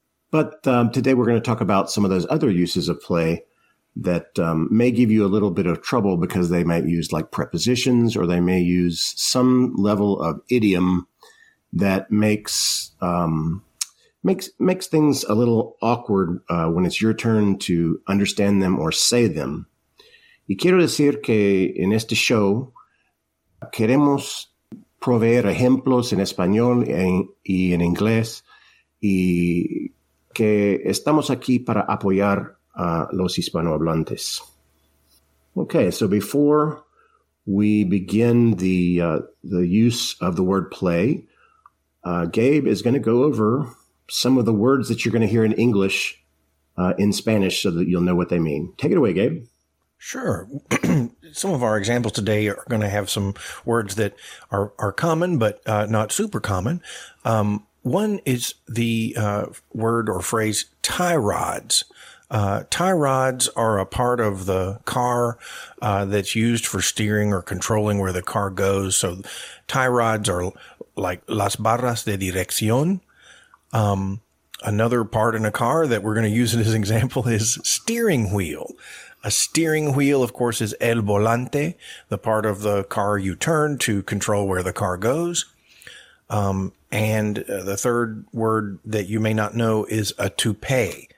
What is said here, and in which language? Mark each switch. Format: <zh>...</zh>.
<en>But today we're going to talk about some of those other uses of play that may give you a little bit of trouble because they might use like prepositions or they may use some level of idiom that makes things a little awkward when it's your turn to understand them or say them.</en> <es>Y quiero decir que en este show queremos proveer ejemplos en español y en inglés y que estamos aquí para apoyar a los hispanohablantes.</es> <en>Okay, so before we begin the use of the word play, Gabe is going to go over some of the words that you're going to hear in English in Spanish so that you'll know what they mean. Take it away, Gabe. Sure. Some of our examples today are going to have some words that are common, but not super common. One is the word or phrase tie rods. Tie rods are a part of the car that's used for steering or controlling where the car goes. So tie rods are like</en> <es>las barras de dirección.</es> <en>Another part in a car that we're going to use as an example is steering wheel. A steering wheel, of course, is el volante, the part of the car you turn to control where the car goes. The third word that you may not know is a toupee.</en>